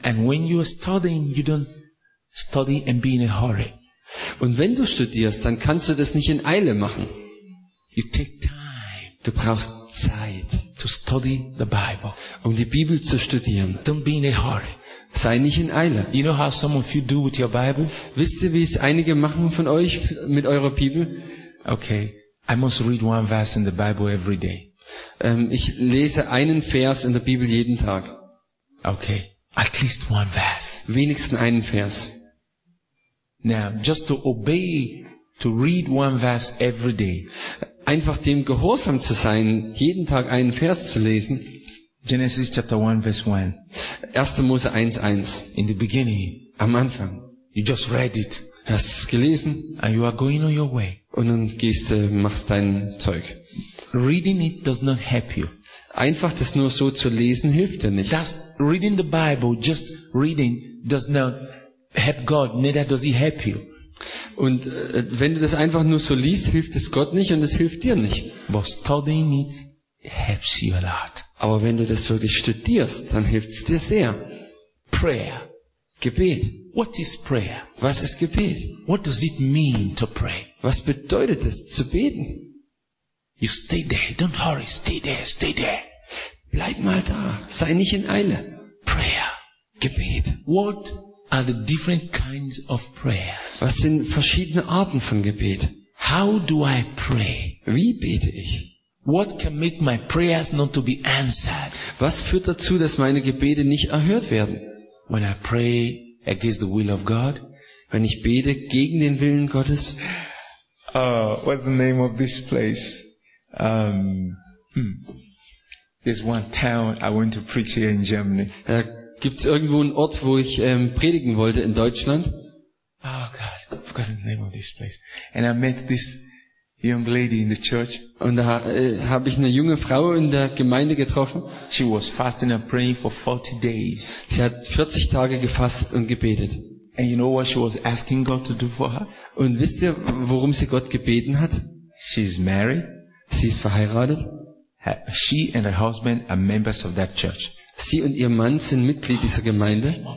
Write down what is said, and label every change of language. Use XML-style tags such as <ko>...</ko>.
<en>And when you are studying, you don't study and be in a hurry.</en> <de>Und wenn du studierst, dann kannst du das nicht in Eile machen.</de> <en>You take time.</en> <de>Du brauchst Zeit.</de> <en>To study the Bible.</en> <de>Um die Bibel zu studieren.</de> <en>Don't be in a hurry.</en> <de>Sei nicht in Eile.</de> <en>You know how some of you do with your Bible?</en> <de>Wisst ihr, wie es einige machen von euch mit eurer Bibel?</de> <en>Okay, I must read one verse in the Bible every day.</en> <de>Ich lese einen Vers in der Bibel jeden Tag.</de> <en>Okay, at least one verse.</en> <de>Wenigstens einen Vers.</de> <en>Now, just to obey, to read one verse every day.</en> <de>Einfach dem gehorsam zu sein, jeden Tag einen Vers zu lesen.</de> <en>Genesis chapter 1 verse 1.</en> <de>1. Mose 1:1.</de> <en>In the beginning.</en> <de>Am Anfang.</de> <en>You just read it.</en> <de>Hast es gelesen.</de> <en>And you are going on your way.</en> <de>Und dann machst dein Zeug.</de> <en>Reading it does not help you.</en> <de>Einfach das nur so zu lesen hilft dir nicht.</de> <en>Just reading the Bible, just reading, does not help God. Neither does He help you.</en> <de>Und wenn du das einfach nur so liest, hilft es Gott nicht und es hilft dir nicht.</de> <en>But studying it helps you a lot.</en> <de>Aber wenn du das wirklich studierst, dann hilft es dir sehr.</de> <en>Prayer.</en> <de>Gebet.</de> <en>What is prayer?</en> <de>Was ist Gebet?</de> <en>What does it mean to pray?</en> <de>Was bedeutet es zu beten?</de> <en>You stay there. Don't hurry. Stay there. Stay there.</en> <de>Bleib mal da. Sei nicht in Eile.</de> <en>Prayer.</en> <de>Gebet.</de> <en>What are the different kinds of prayer?</en> <de>Was sind verschiedene Arten von Gebet?</de> <en>How do I pray?</en> <de>Wie bete ich?</de> <en>What can make my prayers not to be answered?</en> <de>Was führt dazu, dass meine Gebete nicht erhört werden?</de> <en>When I pray against the will of God,</en> <de>wenn ich bete gegen den Willen Gottes.</de> <en>What's the name of this place? There's one town I went to preach here in Germany.</en> <de>Gibt's irgendwo einen Ort, wo ich predigen wollte in Deutschland?</de> <en>Oh God, I've forgotten the name of this place. And I met this young lady in the church.</en> <de>Und da habe ich eine junge Frau in der Gemeinde getroffen.</de> <en>She was fasting and praying for 40 days.</en> <de>Sie hat 40 Tage gefastet und gebetet.</de> <en>And you know what she was asking God to do for her?</en> <de>Und wisst ihr, worum sie Gott gebeten hat?</de> <en>She's married.</en> <de>Sie ist verheiratet.</de> <en>She and her husband are members of that church.</en> <de>Sie und ihr Mann sind Mitglied dieser Gemeinde.</de>